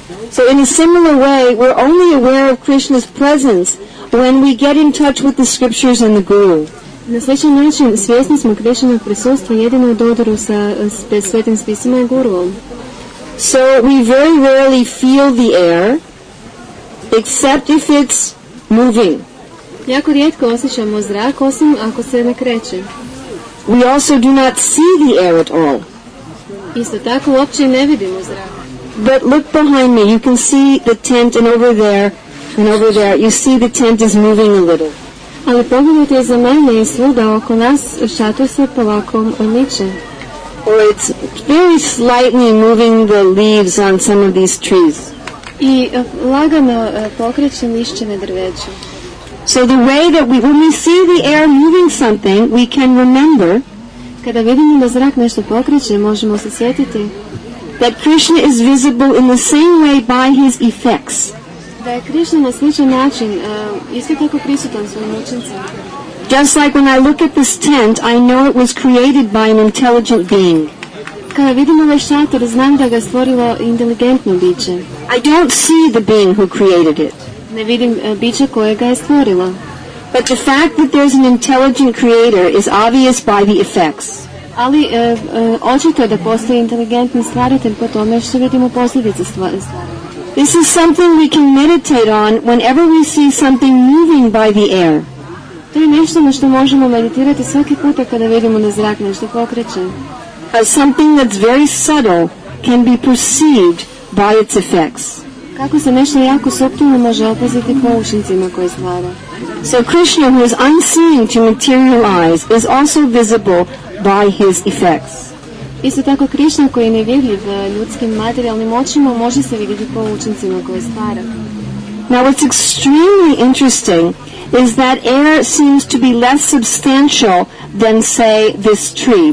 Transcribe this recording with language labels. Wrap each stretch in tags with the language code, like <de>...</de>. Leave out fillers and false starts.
<en>So in a similar way, we're only aware of Krishna's presence when we get in touch with the scriptures and the Guru.</en> <hr>Na sličan način svjesni smo Krishnovog prisustva jedino u dodiru sa svetim spisima i Guruom.</hr> <en>So we very rarely feel the air, except if it's moving.</en> <hr>Jako rijetko osjećamo zrak, osim ako se ne kreće.</hr> <en>We also do not see the air at all.</en> <hr>Isto tako uopće ne vidimo zrak.</hr> <en>But look behind me, you can see the tent, and over there, you see the tent is moving a little.</en> <hr>Ali pogledajte za mene i svuda oko nas šator se polako miče.</hr> <en>Or it's very slightly moving the leaves on some of these trees.</en> <hr>I lagano pokreće lišće na drveću.</hr> <en>So the way that we, when we see the air moving something, we can remember.</en> <hr>Kada vidimo da zrak nešto pokreće, možemo se sjetiti.</hr> <en>That Krishna is visible in the same way by his effects.</en> <hr>Da je Krishna na sličan način isto tako prisutan svojim učincima.</hr> <en>Just like when I look at this tent, I know it was created by an intelligent being.</en> <hr>Kada vidim ovaj šator, znam da ga stvorilo inteligentno biće.</hr> <en>I don't see the being who created it.</en> <hr>Ne vidim biće koje ga je stvorilo.</hr> <en>But the fact that there's an intelligent creator is obvious by the effects.</en> <hr>Ali očito je da postoji inteligentni stvaritelj po tome što vidimo posljedice stvari.</hr> <en>This is something we can meditate on whenever we see something moving by the air.</en> <hr>To je nešto na što možemo meditirati svaki puta kada vidimo da zrak nešto pokreće.</hr> <en>As something that's very subtle can be perceived by its effects.</en> <hr>Kako se nešto jako suptilno može opaziti po učincima koje stvara.</hr> <en>So Krishna, who is unseen to material eyes, is also visible by his effects.</en> <hr>Isto tako Krishna koji je nevidljiv ljudskim materijalnim očima može se vidjeti po učincima koje stvara.</hr> <en>Now what's extremely interesting is that air seems to be less substantial than, say, this tree.</en>